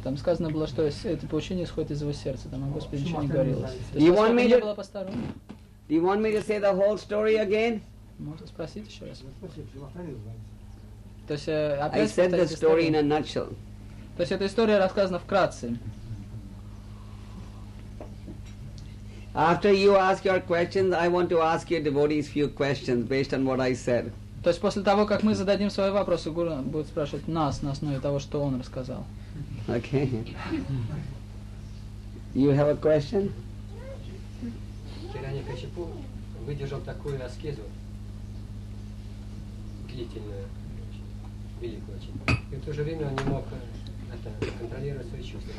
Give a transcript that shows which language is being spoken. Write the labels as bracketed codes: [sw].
[ru] Там сказано было, что это поучение исходит из его сердца. Там о Господе ничего не говорилось. [en] You want me to? Do you want me to say the whole story again? [ru] Можно спросить еще раз. То есть [en] I said the story in a nutshell. [ru] То есть эта история рассказана вкратце. [en] After you ask your questions, I want to ask your devotees few questions based on what I said. [ru] То есть после того, как мы зададим свои вопросы, гуру будет спрашивать нас на основе того, что он рассказал. [en] Okay. You have a question? [ru] Хирани Качапу выдержал такую аскезу длительную, великую очень. И в то же время он не мог контролировать свои чувства.